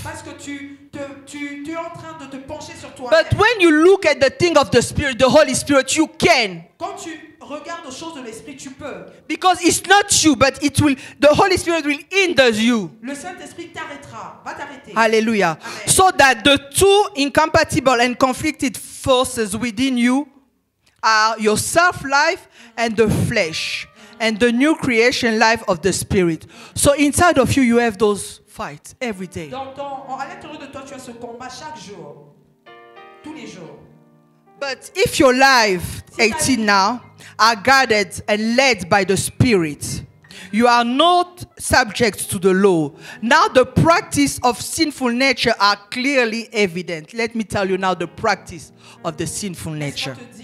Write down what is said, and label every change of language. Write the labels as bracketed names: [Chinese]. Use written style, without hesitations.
[English] But when you look at the thing of the Spirit, the Holy Spirit, you can. [French] Quand tu regardes aux choses de l'Esprit, tu peux. [English] Because it's not you, but it will. The Holy Spirit will hinder you. [French] Le Saint-Esprit t'arrêtera, va t'arrêter. Hallelujah. [English] So that the two incompatible and conflicted forces within you are your self-life and the flesh, and the new creation life of the Spirit. So inside of you, you have those fights every day. [French] À l'intérieur de toi, tu as ce combat chaque jour. Tous les jours. [English] But if your life, 18 now, are guided and led by the Spirit, you are not subject to the law. Now the practice of sinful nature are clearly evident. Let me tell you now the practice of the sinful nature.